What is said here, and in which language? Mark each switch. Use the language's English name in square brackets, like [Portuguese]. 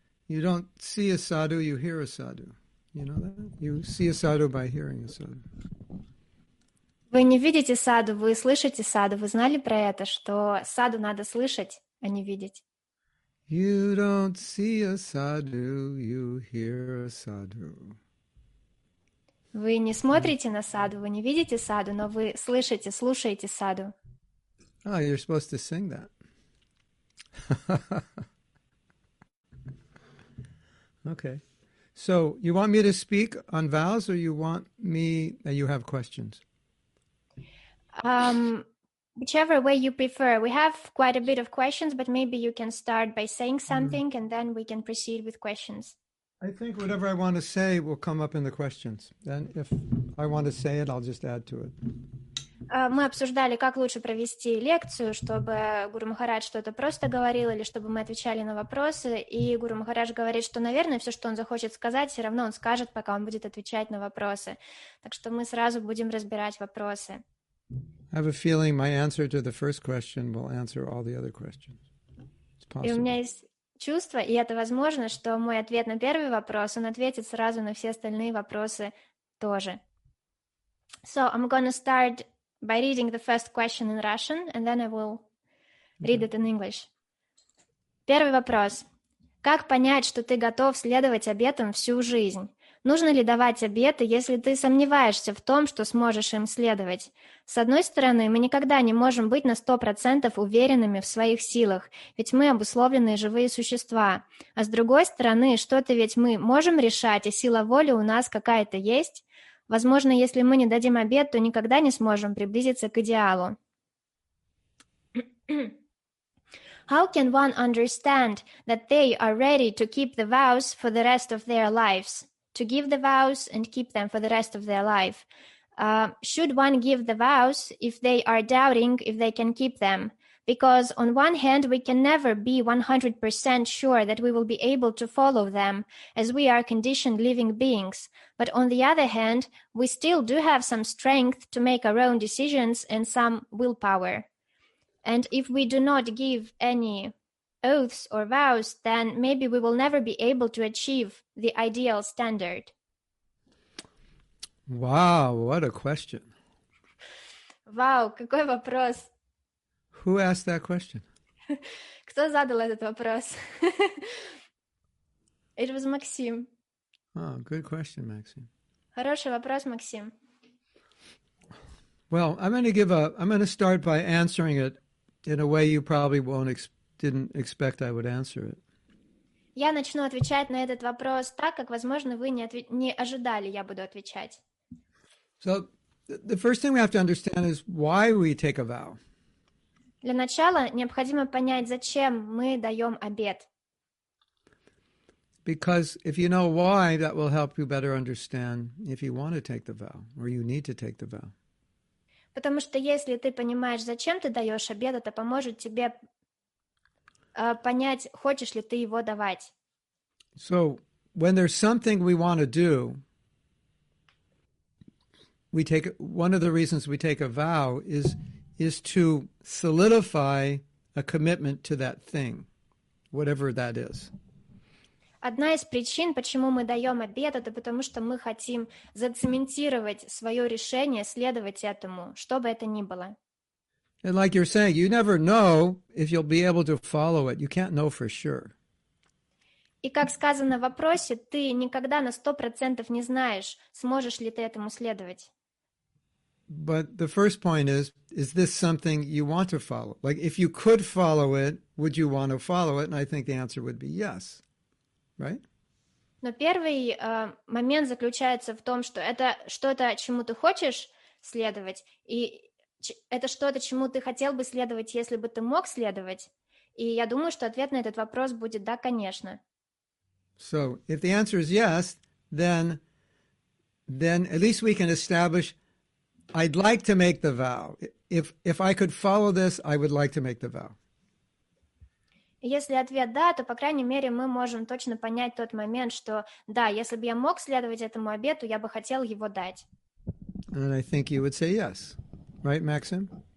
[English] You don't see a sadhu, you hear a sadhu. You know that? You see a sadhu by hearing a sadhu. [Russian] Вы не видите саду, вы слышите саду. Вы знали про это, что саду надо слышать, а не видеть? [English] You don't see a sadhu, you hear a sadhu. [Russian] Вы не смотрите на саду, вы не видите саду, но вы слышите, слушаете саду. [English] Oh, you're supposed to sing that. Okay. So you want me to speak on vows, or you want me, you have questions? Whichever way you prefer. We have quite a bit of questions, but maybe you can start by saying something and then we can proceed with questions. I think whatever I want to say will come up in the questions. Then if I want to say it, I'll just add to it. [Russian] Мы обсуждали, как лучше провести лекцию, чтобы Гуру Махарадж что-то просто говорил или чтобы мы отвечали на вопросы. И Гуру Махарадж говорит, что, наверное, все, что он захочет сказать, все равно он скажет, пока он будет отвечать на вопросы. Так что мы сразу будем разбирать вопросы. [English] I have a feeling my answer to the first question will answer all the other questions. It's possible. [Russian] И у меня есть чувство, и это возможно, что мой ответ на первый вопрос, он ответит сразу на все остальные вопросы тоже. [English] So I'm going to start by reading the first question in Russian, and then I will read it in English. [Russian] Первый вопрос. Как понять, что ты готов следовать обетам всю жизнь? Нужно ли давать обеты, если ты сомневаешься в том, что сможешь им следовать? С одной стороны, мы никогда не можем быть на 100% уверенными в своих силах, ведь мы обусловленные живые существа. А с другой стороны, что-то ведь мы можем решать, и сила воли у нас какая-то есть? Возможно, если мы не дадим обет, то никогда не сможем приблизиться к идеалу. [English] How can one understand that they are ready to keep the vows for the rest of their lives? To give the vows and keep them for the rest of their life. Should one give the vows if they are doubting if they can keep them? Because on one hand, we can never be 100% sure that we will be able to follow them, as we are conditioned living beings. But on the other hand, we still do have some strength to make our own decisions and some willpower. And if we do not give any oaths or vows, then maybe we will never be able to achieve the ideal standard. Wow, what a question. [Russian] Wow, какой вопрос. [English] Who asked that question? [Russian] Кто задал этот вопрос? [English] It was Maxim. Oh, good question, Maxim. [Russian] Хороший вопрос, Maxim. [English] Well, I'm going to start by answering it in a way you probably won't expect. Didn't expect I would answer it. [Russian] Я начну отвечать на этот вопрос так, как, возможно, вы не ожидали, я буду отвечать. [English] So, the first thing we have to understand is why we take a vow. [Russian] Для начала необходимо понять, зачем мы даем обет. [English] Because if you know why, that will help you better understand if you want to take the vow or you need to take the vow. [Russian] Потому что если ты понимаешь, зачем ты даешь обет, это поможет тебе понять, хочешь ли ты его давать. [English] So, when there's something we want to do, we take one of the reasons we take a vow is to solidify a commitment to that thing, whatever that is. [Russian] Одна из причин, почему мы даем обет, это потому что мы хотим зацементировать свое решение следовать этому, что бы это ни было. [English] And like you're saying, you never know if you'll be able to follow it. You can't know for sure. [Russian] И как сказано в вопросе, ты никогда на 100% не знаешь, сможешь ли ты этому следовать. [English] But the first point is this something you want to follow? Like, if you could follow it, would you want to follow it? And I think the answer would be yes, right? [Russian] Но первый момент заключается в том, что это что-то, чему ты хочешь следовать, и это что-то, чему ты хотел бы следовать, если бы ты мог следовать? И я думаю, что ответ на этот вопрос будет «да, конечно». [English] So, if the answer is yes, then at least we can establish I'd like to make the vow. If I could follow this, I would like to make the vow. [Russian] Если ответ «да», то, по крайней мере, мы можем точно понять тот момент, что «да, если бы я мог следовать этому обету, я бы хотел его дать». [English] And I think you would say yes. Right, Maxim?